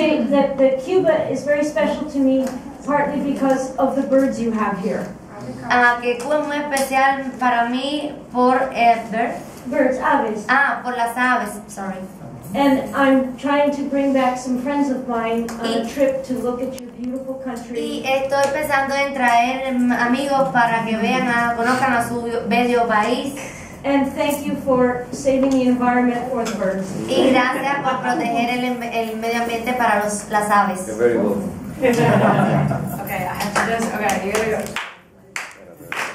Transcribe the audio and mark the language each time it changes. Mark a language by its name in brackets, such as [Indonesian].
[English] that the Cuba is very special to me, partly because of the birds you have here. [Spanish] Que Cuba es muy especial para mí por [English] birds, aves. [Spanish] Por las aves, [English] sorry. And I'm trying to bring back some friends of mine on a trip to look at your beautiful country. [Spanish] Y estoy pensando en traer amigos para que vean, conozcan a su bello país. [English] And thank you for saving the environment for the birds. [Spanish] Y gracias por proteger el medio ambiente para las aves. [English] You're very welcome. Okay, I have to just, okay, here we go.